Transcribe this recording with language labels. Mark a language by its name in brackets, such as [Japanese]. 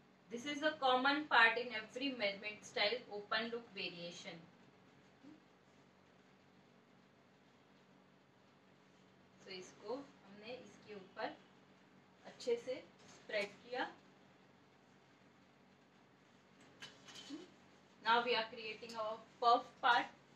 [English] This is a common part in every mermaid style open look variation. [Hindi] So इसको हमने इसके ऊपर अच्छे से स्प्रेड किया। [English] Now we are creating our puff part.